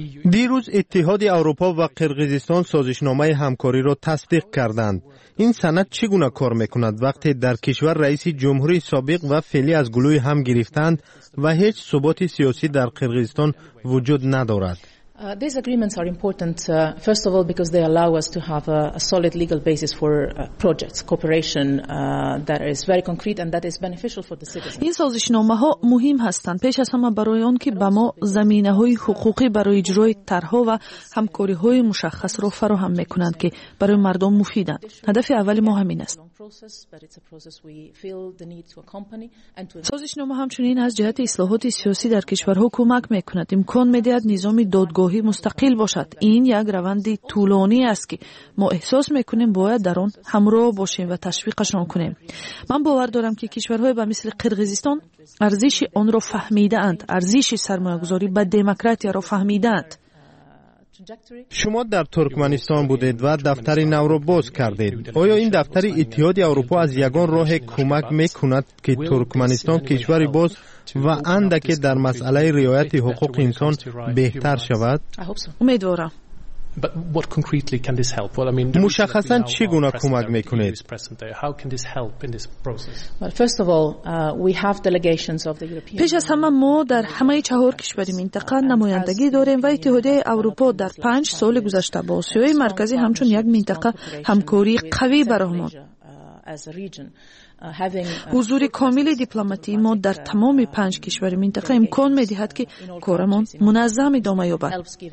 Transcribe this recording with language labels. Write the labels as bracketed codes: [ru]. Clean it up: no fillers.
[fa] دیروز اتحاد اروپا و قرقیزستان سازشنامه همکاری را تصدیق کردند. این سند چگونه کار میکند وقتی در کشور رئیس جمهوری سابق و فعلی از گلوی هم گرفتند و هیچ ثبات سیاسی در قرقیزستان وجود ندارد؟ [en] These agreements are important first of all because they allow us to have a solid legal basis for projects cooperation that is very concrete and that is beneficial for the citizens. [fa] این سازشنامه ها مهم هستند، پیش از همه برای آن که به ما زمینه های حقوقی برای اجرای طرح‌ها و همکاری های مشخص را فراهم میکنند که برای مردم مفیدند. هدف اول ما همین است. سازشنامه همچنین از جهت اصلاحات سیاسی در کشورها کمک میکند. امکان میدهد نظام دادگاهی مستقل باشد. این یک روند طولانی است که ما احساس میکنیم باید در آن همراه باشیم و تشویقشان کنیم. من باور دارم که کشورهای به مثل قرقیزستان ارزش آن را فهمیده اند، ارزش سرمایه گذاری به دموکراسی را فهمیده اند. شما در ترکمنستان بودید و دفتر نو را باز کردید. آیا این دفتر اتحادیه اروپا از یگان راه کمک میکند که ترکمنستان کشوری باز و اندکه در مسئله رعایت حقوق انسان بهتر شود؟ امیدوارم. [en] But what concretely can this help? Well, I mean, [fa] مشخصاً چی گونه کمک میکنید؟ [en] How can this help in this process? Well, first of all, we have delegations of the European. [fa] پیش از همه ما در همه چهار کشور منطقه نمایندگی داریم و اتحادیه اروپا در 5 سال گذشته با آسیای مرکزی همچون یک منطقه همکاری قوی برامون. حضور کامل دیپلماتی ما در تمام 5 کشور منطقه امکان می‌دهد که کارمان منظم ادامه یابد.